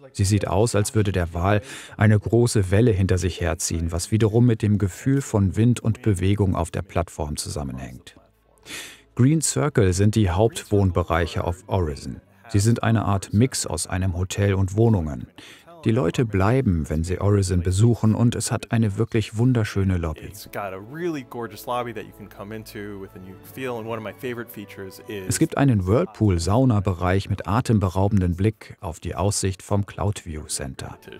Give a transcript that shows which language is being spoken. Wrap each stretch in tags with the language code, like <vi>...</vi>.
<de>Sie sieht aus, als würde der Wal eine große Welle hinter sich herziehen, was wiederum mit dem Gefühl von Wind und Bewegung auf der Plattform zusammenhängt. Green Circle sind die Hauptwohnbereiche auf Horizon. Sie sind eine Art Mix aus einem Hotel und Wohnungen. Die Leute bleiben, wenn sie Horizon besuchen, und es hat eine wirklich wunderschöne Lobby.</de> <en>It's got a really gorgeous lobby that you can come into with a new feel, and one of my favorite features is.</en> <de>Es gibt einen Whirlpool-Sauna-Bereich mit atemberaubendem Blick auf die Aussicht vom Cloud View Center.</de>